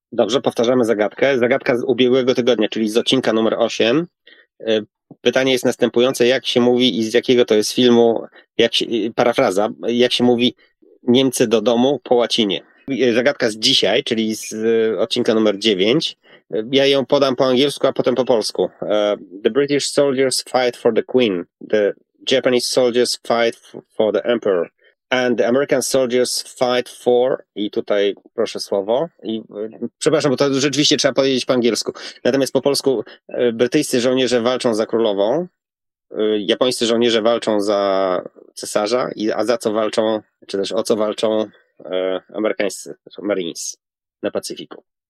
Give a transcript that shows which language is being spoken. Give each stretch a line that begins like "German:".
Polish: Dobrze, powtarzamy zagadkę. Zagadka z ubiegłego tygodnia, czyli z odcinka numer 8. Pytanie jest następujące, jak się mówi i z jakiego to jest filmu, parafraza, jak się mówi Niemcy do domu po łacinie. Zagadka z dzisiaj, czyli z odcinka numer 9. Ja ją podam po angielsku, a potem po polsku.
English: The British soldiers fight for the Queen. The Japanese soldiers fight for the Emperor. And the American soldiers fight for,
Polish: i tutaj proszę słowo, i przepraszam, bo to rzeczywiście trzeba powiedzieć po angielsku. Natomiast po polsku, brytyjscy żołnierze walczą za królową, japońscy żołnierze walczą za cesarza, a za co walczą, czy też o co walczą amerykańscy, Marines na Pacyfiku.